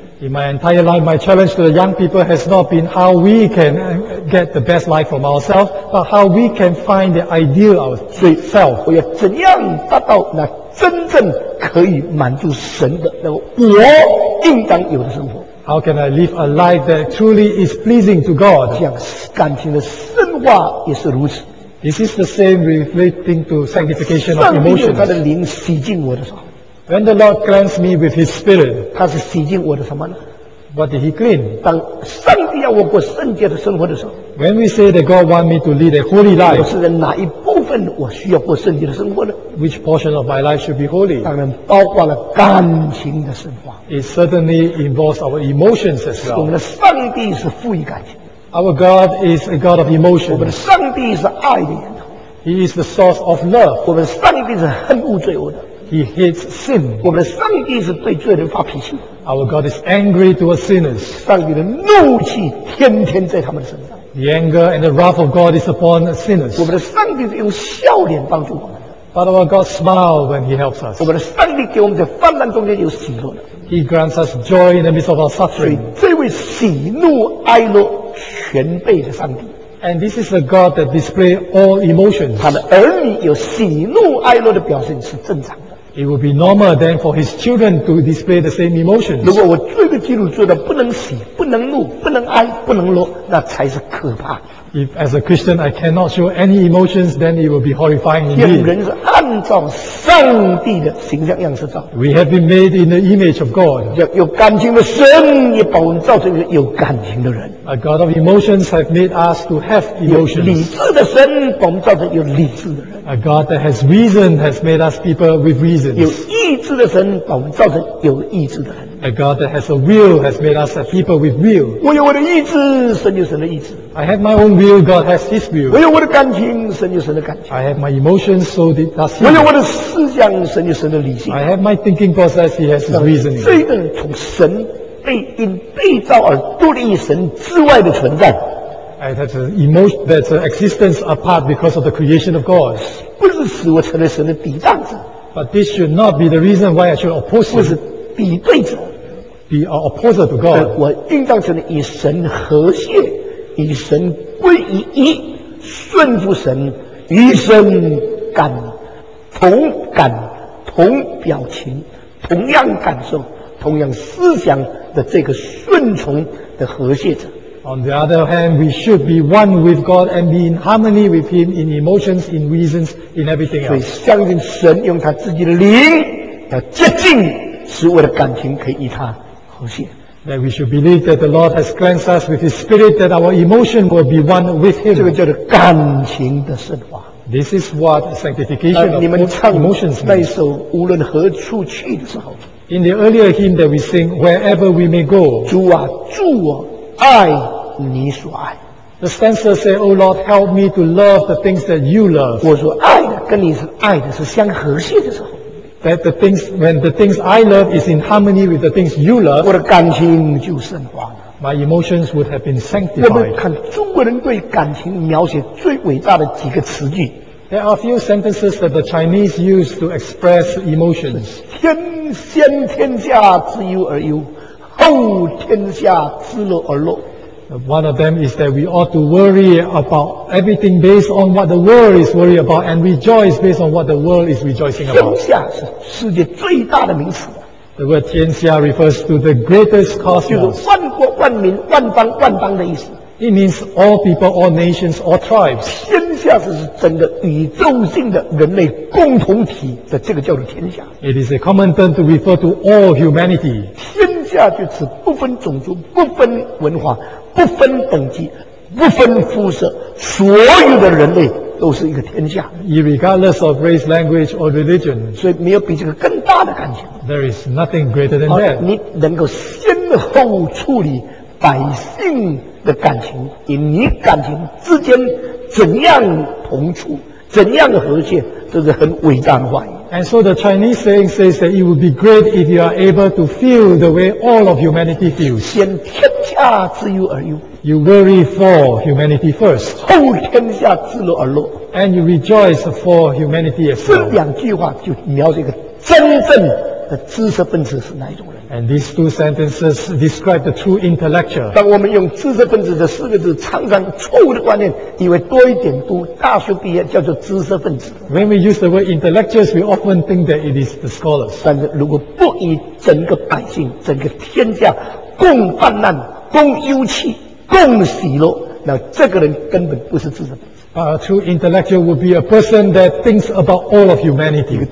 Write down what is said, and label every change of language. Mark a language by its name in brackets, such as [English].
[English] In my entire life, my challenge to the young people has not been how we can get the best life from ourselves, but how we can find the ideal of self. [Chinese] 我要怎样达到那真正可以满足神的那个我应当有的生活？ [English] How can I live a life that truly is pleasing to God? [Chinese] 这样感情的深化也是如此。 [English] This is the same relating to sanctification of emotions. [Chinese] 上帝用他的灵洗净我的时候。 [English] When the Lord cleansed me with His Spirit, [Chinese] 他是洗净我的什么呢？ [English] What did He clean? [Chinese] 当上帝要我过圣洁的生活的时候， [English] When we say that God wants me to lead a holy life, [Chinese] 我是在哪一部分我需要过圣洁的生活呢？ [English] Which portion of my life should be holy? [Chinese] 当然包括了感情的生活。 [English] It certainly involves our emotions as well. [Chinese] 我们的上帝是富于感情。 [English] Our God is a God of emotions. [Chinese] 我们的上帝是爱的源头。 [English] He is the source of love. [Chinese] 我们的上帝是恨恶罪恶的。 [English] He hates sin. [Chinese] 我们的上帝是对罪人发脾气。 [English] Our God is angry towards sinners. [Chinese] 上帝的怒气天天在他们的身上。 [English] The anger and the wrath of God is upon sinners. [Chinese] 我们的上帝是用笑脸帮助我们。 [English] But our God smiles when He helps us. [Chinese] 我们的上帝给我们在患难中间有喜乐的。 [English] He grants us joy in the midst of our suffering. [Chinese] 所以这位喜怒哀乐全备的上帝。 [English] And this is a God that displays all emotions. [Chinese] 他的儿女有喜怒哀乐的表现是正常的。 [English] It would be normal then for his children to display the same emotions. [Chinese] 如果我做一个基督徒做的不能喜、不能怒、不能哀、不能乐，那才是可怕。 [English] If as a Christian I cannot show any emotions, then it will be horrifying indeed. [Chinese] 因为人是按照上帝的形象样式造。 [English] We have been made in the image of God. [Chinese] 有感情的神也把我们造成有感情的人。 [English] A God of emotions has made us to have emotions. [Chinese] 理智的神把我们造成有理智的人。 [English] A God that has reason has made us people with reasons. [Chinese] 有意志的神把我们造成有意志的人。 [English] A God that has a will has made us a people with will. [Chinese] 我有我的意志，神有神的意志。 [English] I have my own will, God has His will. [Chinese] 我有我的感情，神有神的感情。 [English] I have my emotions, so does He. [Chinese] 我有我的思想，神有神的理性。 [English] I have my thinking process, He has His reasoning. [Chinese] 这个人从神被因被造而独立于神之外的存在。 [English] And that's an emotion, that's an existence apart because of the creation of God. [Chinese] 不是使我成为神的抵挡者。 [English] But this should not be the reason why I should oppose Him. [Chinese] 不是抵对者。 [English] Be an opposer to God. [Chinese] 我应当成为与神和谐，与神归于一，顺服神，与神感同感、同表情、同样感受、同样思想的这个顺从的和谐者。 [English] On the other hand, we should be one with God and be in harmony with Him in emotions, in reasons, in everything else. [Chinese] 所以相信神用他自己的灵要接近，使我的感情可以与他和谐。 [English] That we should believe that the Lord has cleansed us with His Spirit, that our emotion will be one with Him. [Chinese] 这个叫做感情的升华。 [English] This is what sanctification of emotions means. [Chinese] 你们唱那一首无论何处去的时候， [English] In the earlier hymn that we sing, wherever we may go, [Chinese] 主啊，助我爱你所爱。 [English] The stanza say, Oh Lord, help me to love the things that you love. [Chinese] 我所爱的跟你是爱的是相和谐的时候。 [English] That the things, when the things I love is in harmony with the things you love, [Chinese] 我的感情就升华了。 [English] My emotions would have been sanctified. [Chinese] 我们看中国人对感情描写最伟大的几个词句。 [English] There are a few sentences that the Chinese use to express emotions. [Chinese] 天先天下之忧而忧，后天下之乐而乐。 [English] One of them is that we ought to worry about everything based on what the world is worried about and rejoice based on what the world is rejoicing about. [Chinese] 天下是世界最大的名词。 [English] The word 天下 refers to the greatest cosmos. [Chinese] 就是万国万民万邦万邦的意思。 [English] It means all people, all nations, all tribes. [Chinese] 天下是整个宇宙性的人类共同体的，这个叫做天下。 [English] It is a common term to refer to all humanity. [Chinese] 天下就是不分种族、不分文化、不分等级、不分肤色，所有的人类都是一个天下。 [English] Irregardless of race, language, or religion. [Chinese] 所以没有比这个更大的感情。 [English] There is nothing greater than that. [Chinese] 你能够先后处理百姓的感情，与你感情之间怎样同处，怎样和谐，这是很伟大的话语。 [English] And so the Chinese saying says that it would be great if you are able to feel the way all of humanity feels. [Chinese] 先天下之忧而忧。 [English] You worry for humanity first. [Chinese] 后天下之乐而乐。 [English] And you rejoice for humanity as well. [Chinese] 这两句话就描述一个真正的知识分子是哪一种。 [English] And these two sentences describe the true intellectual. [Chinese] 当我们用知识分子这四个字，常常错误的观念，以为多一点读大学毕业叫做知识分子。 [English] When we use the word intellectuals, we often think that it is the scholars. [Chinese] 但是如果不以整个百姓、整个天下共患难、共忧戚、共喜乐，那这个人根本不是知识分子。 [English] A true intellectual would be a person that thinks about all of humanity.